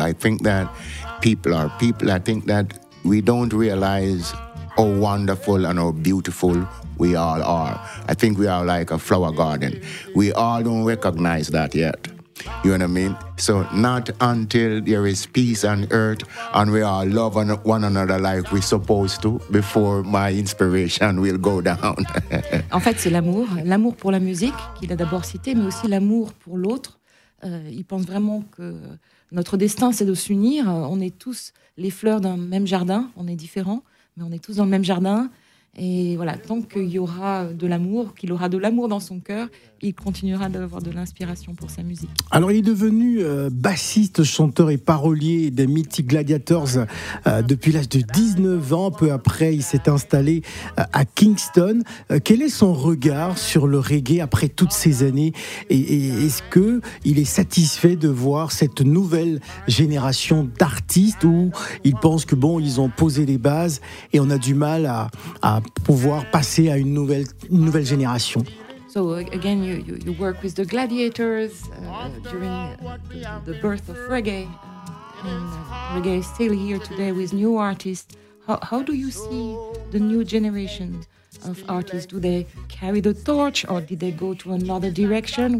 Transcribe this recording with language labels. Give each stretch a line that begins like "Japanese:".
English: I think that people are people. I think that we don't realize how wonderful and how beautiful we all are. I think we are like a flower garden. We all don't recognize that yet. You know what I mean? So not until there is peace on earth and we all love one another like we're supposed to before my inspiration will go down.
French: En fait, c'est l'amour. L'amour pour la musique qu'il a d'abord cité, mais aussi l'amour pour l'autre. Il pense vraiment que notre destin, c'est de s'unir. On est tous les fleurs d'un même jardin. On est différents, mais on est tous dans le même jardin. Et voilà, tant qu'il y aura de l'amour, qu'il aura de l'amour dans son cœur, il continuera d'avoir de l'inspiration pour sa musique. Alors, il est devenu bassiste, chanteur et parolier des Mythic Gladiators depuis l'âge de 19 ans. Peu après, il s'est installé à Kingston. Quel est son regard sur le reggae après toutes ces années? Et est-ce qu'il est satisfait de voir cette nouvelle génération d'artistes où il pense que, bon, ils ont posé les bases et on a du mal à pouvoir passer à une nouvelle génération?
English: So again, you work with the Gladiators during the birth of reggae, and reggae is still here today with new artists. How do you see the new generation of artists? Do they carry the torch, or did they go to another direction?